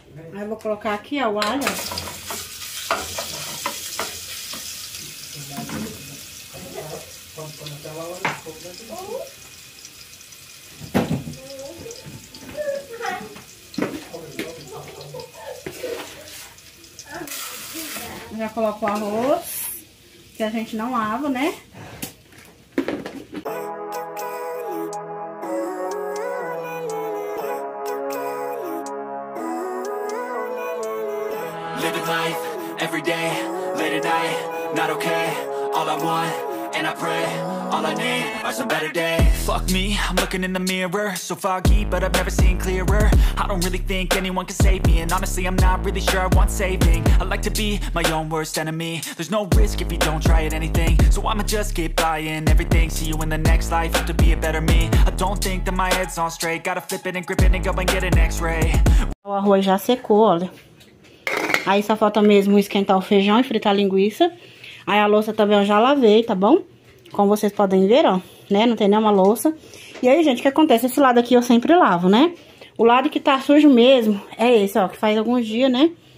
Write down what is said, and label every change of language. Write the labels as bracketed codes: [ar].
[pt] Aí eu vou colocar aqui o alho. Quando tava lá, um pouco dentro do coloco o arroz, que a gente não lava, né? [en] Living life, every day, late at night, not okay. All I want, and I pray. All I need are some better days. Fuck me, I'm looking in the mirror. So foggy, but I've never seen clearer. I don't really think anyone can save me. And honestly, I'm not really sure I want saving. I like to be my own worst enemy. There's no risk if you don't try at anything. So I'ma just keep buying everything. See you in the next life, have to be a better me. I don't think that my head's on straight. Gotta flip it and grip it and go and get an x-ray. [pt] O arroz já secou, olha. Aí só falta mesmo esquentar o feijão e fritar a linguiça. Aí a louça também eu já lavei, tá bom? Como vocês podem ver, ó, né? Não tem nenhuma louça. E aí, gente, o que acontece? Esse lado aqui eu sempre lavo, né? O lado que tá sujo mesmo é esse, ó, que faz alguns dias, né?